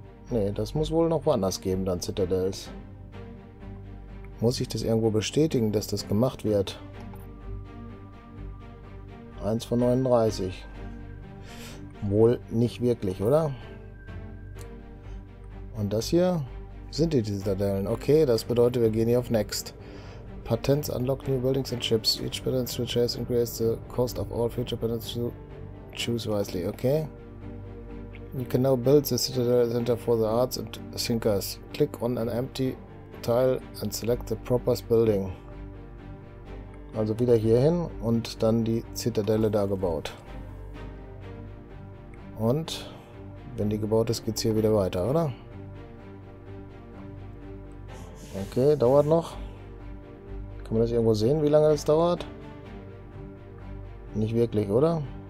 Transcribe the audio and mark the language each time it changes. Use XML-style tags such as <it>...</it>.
<de>Nee, das muss wohl noch woanders geben, dann Citadels. Muss ich das irgendwo bestätigen, dass das gemacht wird? 1 von 39. Wohl nicht wirklich, oder? Und das hier sind die Citadellen. Okay, das bedeutet, wir gehen hier auf Next.</de> <en>Patents unlock new buildings and ships. Each patent will chase and increase the cost of all future patents to choose wisely. Okay. You can now build the Citadel Center for the Arts and Thinkers. Click on an empty tile and select the proper building.</en> <de>Also wieder hier hin und dann die Zitadelle da gebaut. Und wenn die gebaut ist, geht's hier wieder weiter, oder? Okay, dauert noch. Kann man das irgendwo sehen, wie lange das dauert? Nicht wirklich, oder?</de>